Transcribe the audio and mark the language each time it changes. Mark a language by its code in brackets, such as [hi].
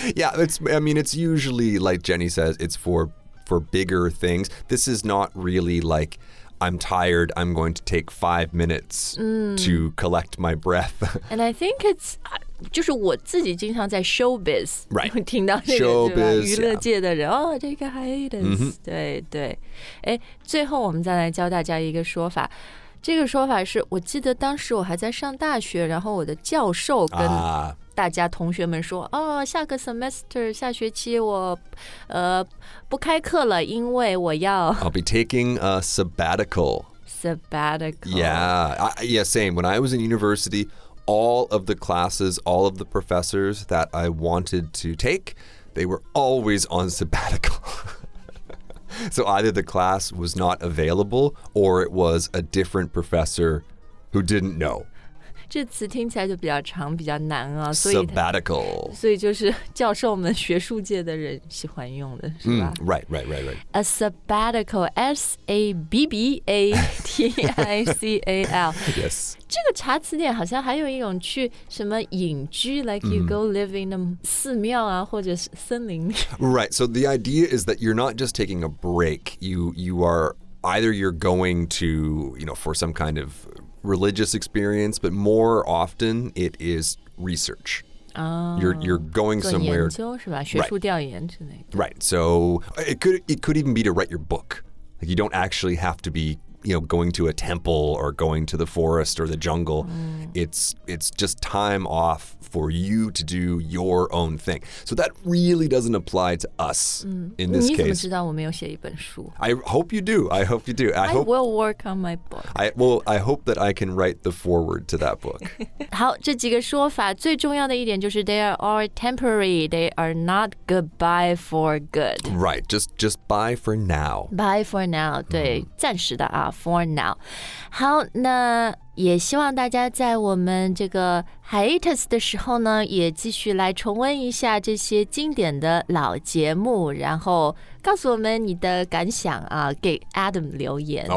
[en] Yeah, it's usually, like Jenny says, it's for bigger things. This is not really like, I'm tired, I'm going to take 5 minutes、mm. to collect my breath. And I think it's, [zh] 就是我自己经常在 showbiz、 [en] right. [zh] 听到那个 [en] showbiz, [zh] 娱乐界的人、 [en] yeah. Oh, take a hiatus.、Mm-hmm. [zh] 对对。诶，最后我们再来教大家一个说法。这个说法是，我记得当时我还在上大学，然后我的教授跟、大家同学们说，哦，下个 semester 下学期我不开课了，因为我要 [en] I'll be taking a sabbatical. Sabbatical. Yeah. Yeah, same. When I was in university, all of the classes, all of the professors that I wanted to take, they were always on sabbatical. So either the class was not available or it was a different professor who didn't know. [zh] 这词听起来就比较长，比较难啊。 [en] Sabbatical. [zh] 所以就是教授们、学术界的人喜欢用的，是吧、 [en] Right, right, right, right. A sabbatical, S-A-B-B-A-T-I-C-A-L. Yes. [zh] 这个查词典好像还有一种去什么隐居 ， [en] like you go live in a [zh] 寺庙啊，或者是森林。 [en] Right. So the idea is that you're not just taking a break. You are either you're going to, you know, for some kind of. Religious experience, but more often it is research.、You're going somewhere. [zh] 做研究是吧？学术调研之类的。 [en] Right. So it could even be to write your book. Like you don't actually have to be, you know, going to a temple or going to the forest or the jungle.、Mm. It's just time off for you to do your own thing. So that really doesn't apply to us、in this case. [zh] 你怎么知道我没有写一本书 [en] I hope you do. I hope you do. I will work on my book. I hope that I can write the foreword to that book. [zh] 好，这几个说法最重要的一点就是 [en] they are all temporary. They are not goodbye for good. Right. Just bye for now. Bye for now. [zh] 对、暂时的啊 [en] for now. [zh] 好，那也希望大家在我们这个 hiatus 的时候呢，也继续来重温一下这些经典的老节目，然后告诉我们你的感想啊，给 Adam 留言。